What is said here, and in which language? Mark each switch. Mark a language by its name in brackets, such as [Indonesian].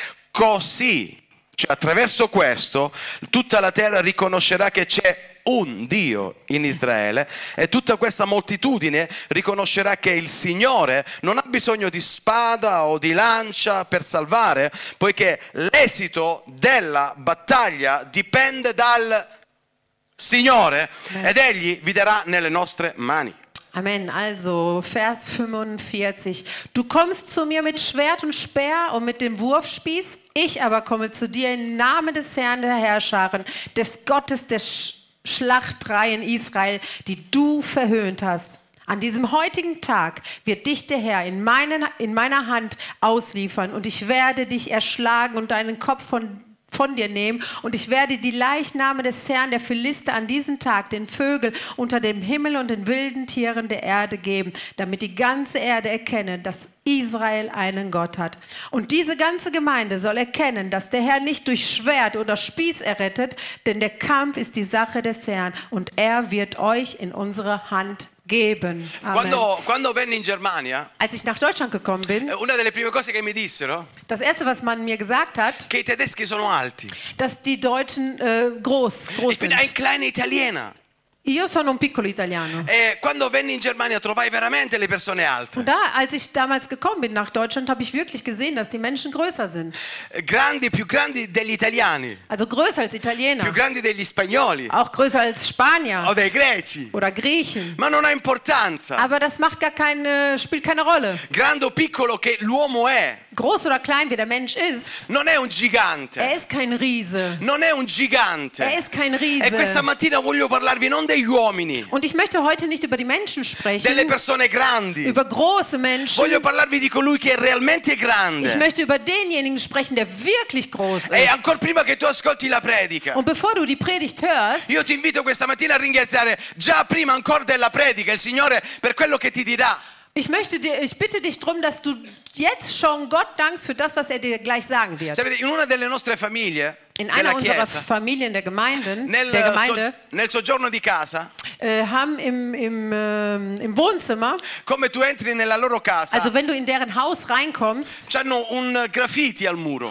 [Italian] Così, cioè attraverso questo, tutta la terra riconoscerà che c'è un Dio in Israele e tutta questa moltitudine riconoscerà che il Signore non ha bisogno di spada o di lancia per salvare, poiché l'esito della battaglia dipende dal Signore ed Egli vi darà nelle nostre mani. [German] Amen. Also Vers 45. Du kommst zu mir mit Schwert und Speer und mit dem Wurfspieß, ich aber komme zu dir im Namen des Herrn der Herrscharen, des Gottes des Schlachtreihen Israel, die du verhöhnt hast. An diesem heutigen Tag wird dich der Herr in meiner Hand ausliefern und ich werde dich erschlagen und deinen Kopf von dir nehmen und ich werde die Leichname des Herrn der Philister an diesem Tag den Vögeln unter dem Himmel und den wilden Tieren der Erde geben, damit die ganze Erde erkenne, dass Israel einen Gott hat. Und diese ganze Gemeinde soll erkennen, dass der Herr nicht durch Schwert oder Spieß errettet, denn der Kampf ist die Sache des Herrn und er wird euch in unsere Hand geben. Amen. [Italian] Quando venni in Germania, [German] als ich nach Deutschland gekommen bin, [Italian] una delle prime cose che mi dissero, [German] das erste, was man mir gesagt hat, [Italian] che i tedeschi sono alti, [German] dass die Deutschen groß sind. Ich bin ein kleiner Italiener. [Italian] Io sono un piccolo italiano. E quando venni in Germania trovai veramente le persone alte. [German] Und da, als ich damals gekommen bin nach Deutschland, habe ich wirklich gesehen, dass die Menschen größer sind. [Italian] Grandi, più grandi degli italiani. [German] Also größer als Italiener. [Italian] Più grandi degli spagnoli. [German] Auch größer als Spanier. [Italian] O dei greci. [German] Oder Griechen. [Italian] Ma non ha importanza. [German] Aber das macht gar keine, spielt keine Rolle. [Italian] Grande o piccolo che l'uomo è. [German] Groß oder klein wie der Mensch ist. [Italian] Non è un gigante. [German] Er ist kein Riese. [Italian] Non è un gigante. [German] Er ist kein Riese. [Italian] E questa mattina voglio parlarvi non degli uomini. [German] Und ich möchte heute nicht über die Menschen sprechen. [Italian] Delle persone grandi. [German] Über große Menschen. [Italian] Voglio parlarvi di colui che è realmente grande. [German] Ich möchte über denjenigen sprechen, der wirklich groß ist. [Italian] E ancora prima che tu ascolti la predica. [German] Und bevor du die Predigt hörst. [Italian] Io ti invito questa mattina a ringraziare già prima ancora della predica il Signore per quello che ti dirà. [German] Ich bitte dich darum, dass du jetzt schon Gott dankst für das, was er dir gleich sagen wird. [Italian] Sapete, in una delle nostre famiglie, [German] in einer unserer [Italian] Chiesa, [German] Familien der Gemeinden, der Gemeinde, [Italian] nel soggiorno di casa, [German] haben im Wohnzimmer, [Italian] come tu entri nella loro casa, [German] also wenn du in deren Haus reinkommst, [Italian] c'hanno un graffiti al muro.